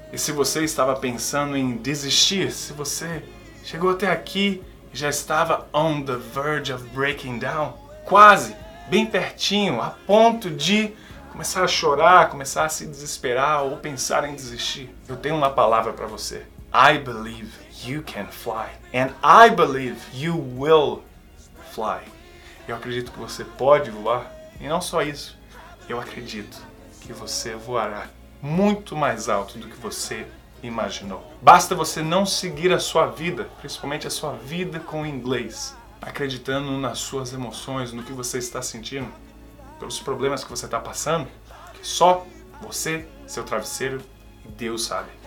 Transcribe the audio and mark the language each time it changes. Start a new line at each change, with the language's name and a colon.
Portuguese: E se você estava pensando em desistir, se você chegou até aqui e já estava
English: on the verge of breaking down,
Portuguese: quase, bem pertinho, a ponto de começar a chorar, começar a se desesperar ou pensar em desistir, eu tenho uma palavra para você.
English: I believe you can fly. And I believe you will fly.
Portuguese: Eu acredito que você pode voar. E não só isso, eu acredito que você voará muito mais alto do que você imaginou. Basta você não seguir a sua vida, principalmente a sua vida com o inglês, acreditando nas suas emoções, no que você está sentindo, pelos problemas que você está passando, que só você, seu travesseiro e Deus sabe.